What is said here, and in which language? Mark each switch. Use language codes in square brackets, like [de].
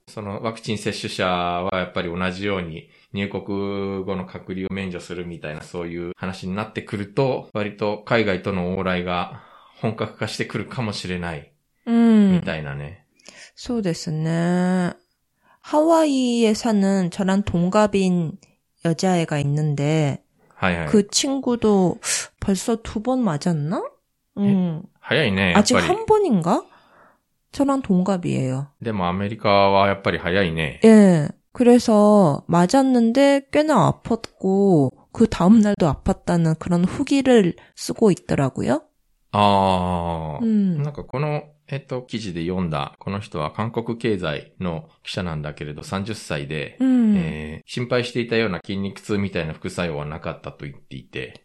[ja] そのワクチン接種者はやっぱり同じように入国後の隔離を免除するみたいなそういう話になってくると、割と海外との往来が本格化してくるかもしれない。みたいなね。そうですね。ハワイへ [ko] 사는저랑동갑인여자애가있는데、 [ja] はいはい、 [ko] 그친구도벌써두번맞았나 [ja] 早いね。 [ko] 아직한번인가저랑동갑이에요。 [ja] でもアメリカはやっぱり早いね。 [ko] 예。 그래서맞았는데꽤나아팠고、그다음날도아팠다는그런후기를쓰고있더라고요。 [ja] 아、なんかこの、記事で読んだ、この人は韓国経済の記者なんだけれど、30歳で、心配していたような筋肉痛みたいな副作用はなかったと言っていて。